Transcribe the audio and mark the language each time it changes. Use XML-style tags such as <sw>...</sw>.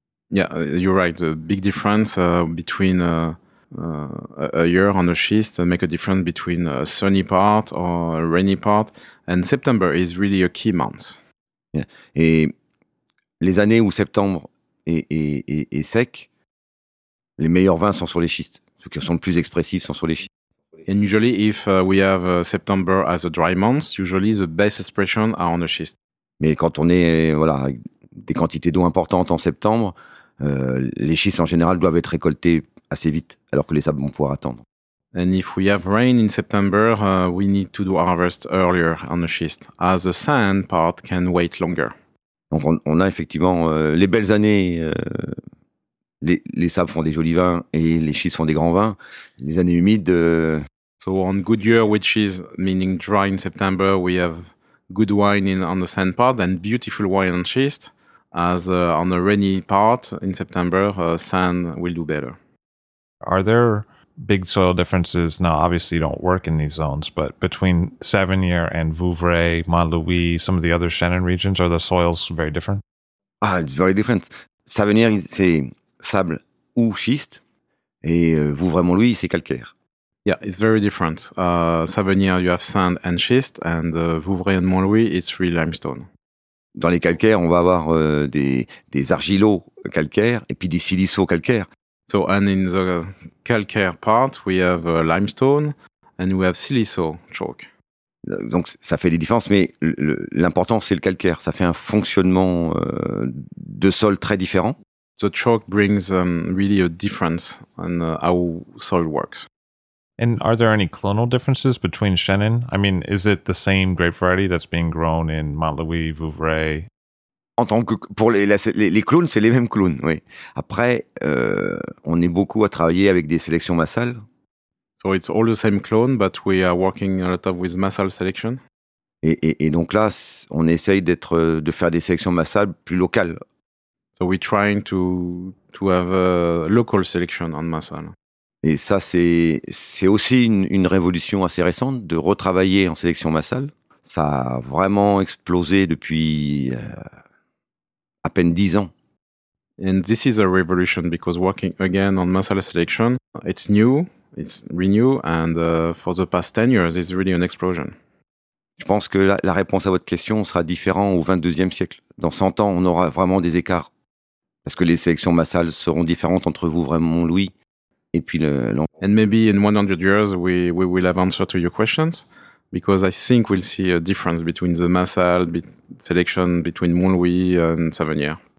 <en>Yeah, you're right. The big difference between a year on a schist make a difference between a sunny part or a rainy part. And September is really a key month. Yeah.</en> <fr>Et les années où septembre est sec, les meilleurs vins sont sur les schistes. Ceux qui sont le plus expressifs sont sur les schistes.</fr> <en>And usually, if we have September as a dry month, usually the best expression are on a schist.</en> <fr>Mais quand on est voilà des quantités d'eau importantes en septembre, les schistes en général doivent être récoltés assez vite, alors que les sables vont pouvoir attendre.</fr> <en>And if we have rain in September, we need to do harvest earlier on a schist, as the sand part can wait longer.</en> <fr>Donc on a effectivement les belles années. Les sables font des jolis vins et les schistes font des grands vins. Les années humides.</fr> <en>So on good year, which is meaning dry in September, we have good wine in on the sand part and beautiful wine on schist. As on the rainy part in September, sand will do better. Are there big soil differences? Now, obviously, you don't work in these zones, but between Savignier and Vouvray, Mont-Louis, some of the other Chenin regions, are the soils very different? Ah, it's very different.</en> <fr>Savignier, c'est sable ou schiste, et Vouvray-Mont-Louis, c'est calcaire.</fr> <en>Yeah, it's very different. Savignier, you have sand and schist, and Vouvray and Mont-Louis, it's real limestone.</en> <fr>Dans les calcaires, on va avoir des argilos calcaires et puis des silicaux calcaires.</fr> <en>So, and in the calcaire part, we have limestone and we have silico chalk.</en> <fr>Donc, ça fait des différences, mais l'important, c'est le calcaire. Ça fait un fonctionnement de sol très différent.</fr> <en>The chalk brings really a difference on how soil works. And are there any clonal differences between Chenin? I mean, is it the same grape variety that's being grown in Mont-Louis, Vouvray?</en> <fr>En tant que pour les clones, c'est les mêmes clones, oui. Après, on est beaucoup à travailler avec des sélections Massal.</fr> <en>So it's all the same clone, but we are working a lot of with Massal selection.</en> <fr>Et donc là, on essaye de faire des sélections Massal plus locales.</fr> <en>So we're trying to have a local selection on Massal.</en> <fr>Et ça, c'est aussi une révolution assez récente de retravailler en sélection Massal. Ça a vraiment explosé depuis à peine 10 ans. And this is a revolution because working again on Massal selection, it's new, it's renewed, and for the past 10 years, it's really an explosion. Je pense que la réponse à votre question sera différente au 22e siècle. Dans 100 ans, on aura vraiment des écarts parce que les sélections Massal seront différentes entre vous, vraiment, Louis. Et puis</fr> <en>And maybe in 100 years we will have answer to your questions because I think we'll see a difference between the Massal selection between Mont-Louis and Savignier.</en>